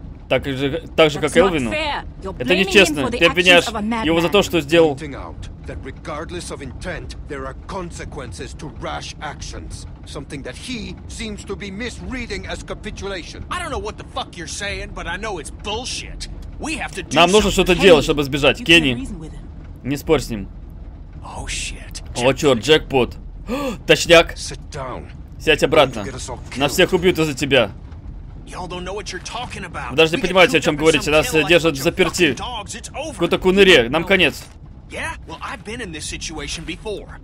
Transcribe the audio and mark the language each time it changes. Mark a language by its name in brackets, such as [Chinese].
[Russian] Так же, как Элвину. Это нечестно. Ты обвиняешь его за то, что сделал. [English] That regardless of intent, there are consequences to rash actions. Something that he seems to be misreading as capitulation. I don't know what the fuck you're saying, but I know it's bullshit. We have to do something. [Russian] Нам нужно что-то делать, чтобы сбежать, Кенни. Не спорь с ним. [English] Oh shit. [Russian] О, черт, джекпот. Точняк. [English] Sit down. [Russian] Сядь обратно. Нас всех убьют из-за тебя. Вы даже не понимаете, о чем говорите. Нас держат в заперти. В какой-то куныре. Нам конец. [English] Yeah, well, I've been in this situation before.